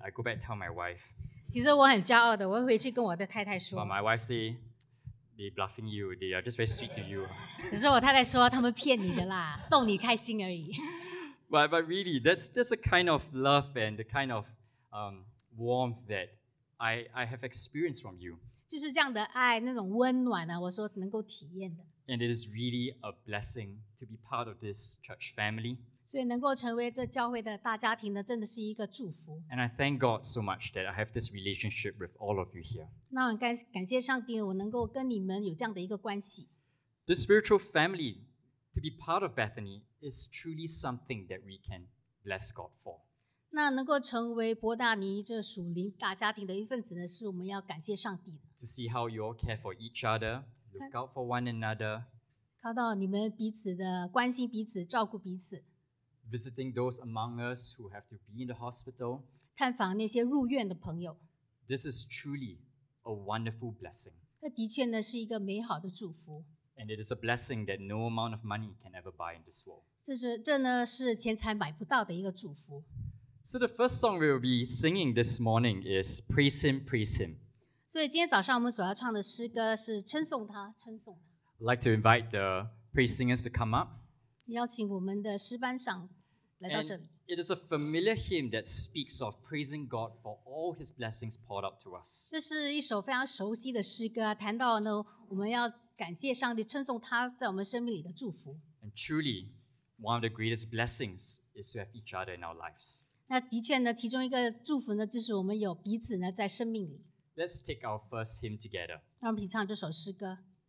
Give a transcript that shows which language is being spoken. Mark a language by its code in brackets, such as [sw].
[en] I go back and tell my wife. [zh] 其实我很骄傲的，我回去跟我的太太说。 [en] But my wife say they bluffing you. They are just very sweet to you. [zh] 可是我太太说他们骗你的啦，逗你开心而已。 [en] But really, that's a kind of love and the kind of warmth that. I have experienced from you. [zh] 就是这样的爱，那种温暖啊，我说能够体验的。 [en] And it is really a blessing to be part of this church family. [zh] 所以能够成为这教会的大家庭呢，真的是一个祝福。 [en] And I thank God so much that I have this relationship with all of you here. [zh] 那我感谢上帝，我能够跟你们有这样的一个关系。 [en] This spiritual family to be part of Bethany is truly something that we can bless God for. [zh] 那能够成为伯大尼这属灵大家庭的一份子呢，是我们要感谢上帝的。 [en] To see how you all care for each other, look out for one another. [zh] 看到你们彼此的关心彼此，照顾彼此。 [en] Visiting those among us who have to be in the hospital. [zh] 探访那些入院的朋友。 [en] This is truly a wonderful blessing. [zh] 这的确呢是一个美好的祝福。 [en] And it is a blessing that no amount of money can ever buy in this world. [zh] 这呢是钱财买不到的一个祝福。 [en] So the first song we will be singing this morning is Praise Him, Praise Him. [zh] 所以今天早上我们所要唱的诗歌是称颂他，称颂他。 [en] I'd like to invite the praise singers to come up. [zh] 邀请我们的诗班上来到这里。 [en] And it is a familiar hymn that speaks of praising God for all His blessings poured out to us. [zh] 这是一首非常熟悉的诗歌，谈到呢我们要感谢上帝，称颂他在我们生命里的祝福。 [en] And truly, one of the greatest blessings is to have each other in our lives. [zh] 那的确呢，其中一个祝福呢，就是我们有彼此呢在生命里。 [en] Let's take our first hymn together. [zh] 让我们一起唱这首诗歌。